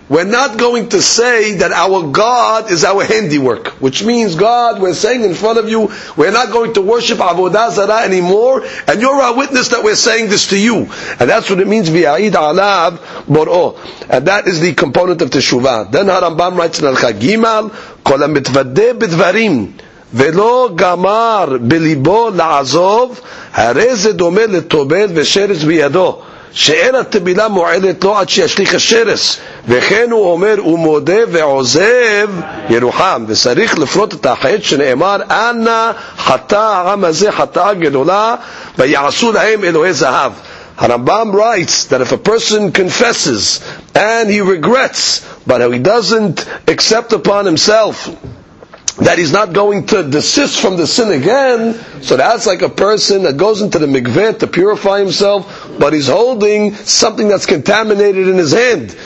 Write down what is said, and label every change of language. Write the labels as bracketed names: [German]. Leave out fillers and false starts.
[English] We're not going to say that our God is our handiwork, which means God, we're saying in front of you, we're not going to worship Avodah Zarah anymore, and you're our witness that we're saying this to you. And that's what it means, V'ya'id alav bor'o. And that is the component of teshuvah. Then Harambam writes in Al-Kha Gimal, [Hebrew] כל המתוודה בדברים ולא גמר בליבו לעזוב, הרי זה דומה לטובל ושרץ בידו, שאין התבילה מועלת לו עד שישליך השרץ, וכן הוא אומר ומודה ועוזב ירוחם, וצריך לפרוט את החטא שנאמר אנא חטא העם הזה חטאה גדולה ויעשו להם אלוהי זהב. [English] הרמב״ם writes that if a person confesses and he regrets, but he doesn't accept upon himself that he's not going to desist from the sin again, so that's like a person that goes into the mikveh to purify himself, but he's holding something that's contaminated in his hand.